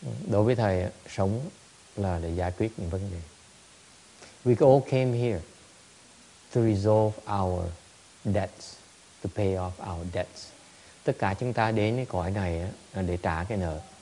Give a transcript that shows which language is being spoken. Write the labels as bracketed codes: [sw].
[vi] Đối với thầy, sống là để giải quyết những vấn đề. [en] We all came here to resolve our debts, to pay off our debts. [vi] Tất cả chúng ta đến cái cõi này là để trả cái nợ.